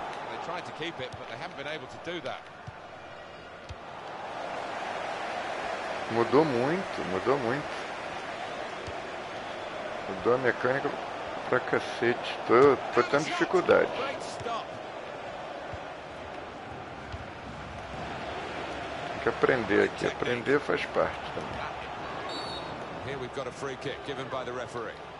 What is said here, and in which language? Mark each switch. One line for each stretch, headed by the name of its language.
English: They tried to keep it, but they haven't been able to do that.
Portuguese: Mudou muito, mudou muito. Mudou a mecânica pra cacete. Tô tendo dificuldade. Tem que aprender aqui. Aprender faz parte também.
English: Here we've got a free kick given by the referee.